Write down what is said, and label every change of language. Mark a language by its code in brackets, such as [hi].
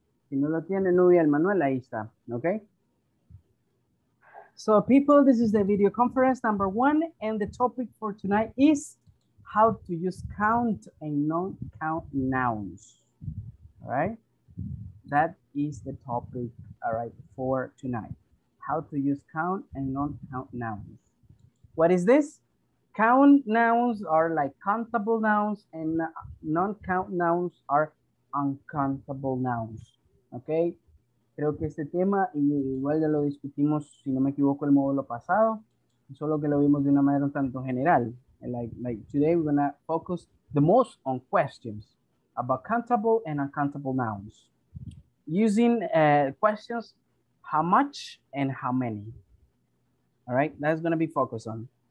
[es] Si no lo tiene Nubia, el manual, ahí está, okay? [en] So people, this is the video conference number one, and the topic for tonight is how to use count and non-count nouns, all right? That is the topic, all right, for tonight. How to use count and non-count nouns. What is this? Count nouns are like countable nouns, and non-count nouns are uncountable nouns, okay? [es] Creo que este tema, igual ya lo discutimos, si no me equivoco, el módulo pasado, solo que lo vimos de una manera un tanto general. [en] Like today we're gonna focus the most on questions about countable and uncountable nouns. Using questions, how much and how many. All right, that's gonna be focused on.